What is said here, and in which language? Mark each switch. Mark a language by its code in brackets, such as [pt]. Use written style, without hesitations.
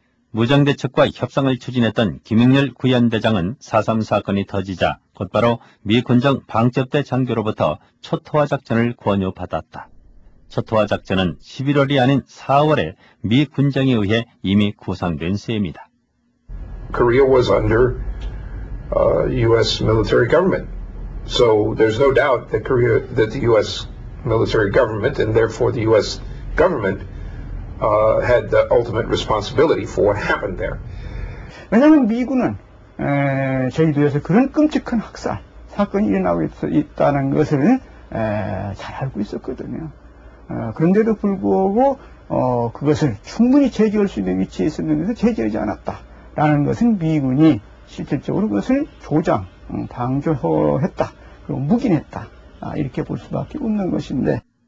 [ko] 무장대 측과 협상을 추진했던 김익렬 구현대장은 4.3 사건이 터지자 곧바로 미 군정 방첩대 장교로부터 초토화 작전을 권유받았다. 초토화 작전은 11월이 아닌 4월에 미 군정에 의해 이미 구상된 셈이다. [en] Korea was under U.S. military government. So there's no doubt that Korea, that the U.S. military government and therefore the U.S. government had the ultimate responsibility for what happened there. [ko] 왜냐하면 미군은 제주도에서 그런 끔찍한 학살 사건이 일어나고 있다는 것을 잘 알고 있었거든요. 그런데도 불구하고 그것을 충분히 제지할 수 있는 위치에 있었는데도 제지하지 않았다. 라는 것은 미군이 실질적으로 그것을 조장, 방조했다, 그리고 묵인했다, 이렇게 볼 수밖에 없는 것인데.